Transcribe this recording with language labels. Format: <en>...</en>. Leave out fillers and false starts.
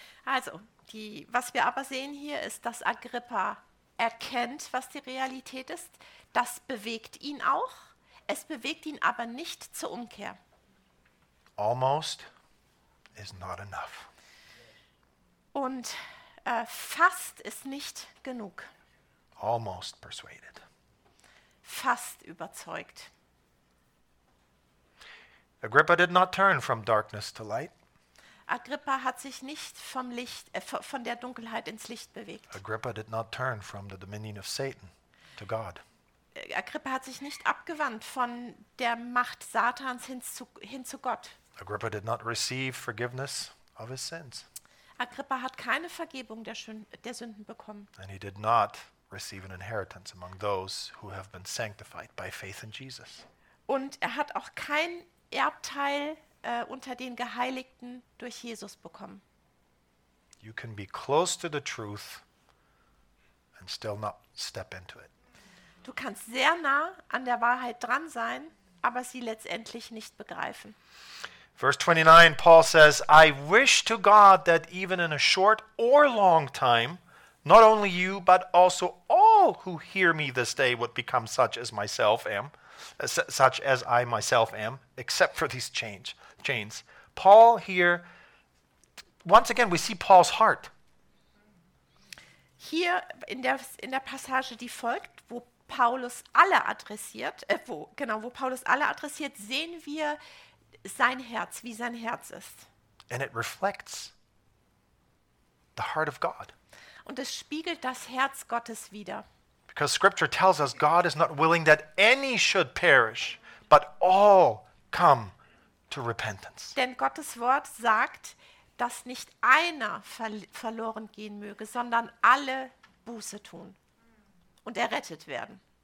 <de>Also, die, was wir aber sehen hier, ist, dass Agrippa erkennt, was die Realität ist. Das bewegt ihn auch. Es bewegt ihn aber nicht zur Umkehr.</de> <en>Almost is not enough.</en> <de>Und fast ist nicht genug.</de> <en>Almost persuaded.</en> <de>Fast überzeugt.</de> <en>Agrippa did not turn from darkness to light.</en> <de>Agrippa hat sich nicht vom Licht, von der Dunkelheit ins Licht bewegt.</de> <en>Agrippa did not turn from the dominion of Satan to God.</en> <de>Agrippa hat sich nicht abgewandt von der Macht Satans hin zu Gott.</de> <en>Agrippa did not receive forgiveness of his sins.</en> <de>Agrippa hat keine Vergebung der Sünden bekommen.</de> <en>And he did not receive an inheritance among those who have been sanctified by faith in Jesus.</en> <de>Und er hat auch kein Erbteil unter den Geheiligten durch Jesus bekommen.</de> <en>You can be close to the truth and still not step into it.</en> <de>Du kannst sehr nah an der Wahrheit dran sein, aber sie letztendlich nicht begreifen.</de> <en>Verse 29, Paul says, I wish to God that even in a short or long time, not only you, but also all who hear me this day would become such as myself am, such as I myself am, except for these chains. Paul here, once again, we see Paul's heart.</en> <de>Hier in der Passage, die folgt, wo Paulus alle adressiert, wo Paulus alle adressiert, sehen wir sein Herz, wie sein Herz ist.</de> <en>And it reflects the heart of God.</en> <de>Und es spiegelt das Herz Gottes wider.</de> <en>Because Scripture tells us God is not willing that any should perish, but all come to repentance.</en> <de>Denn Gottes Wort sagt, dass nicht einer verloren gehen möge, sondern alle Buße tun und errettet werden.</de>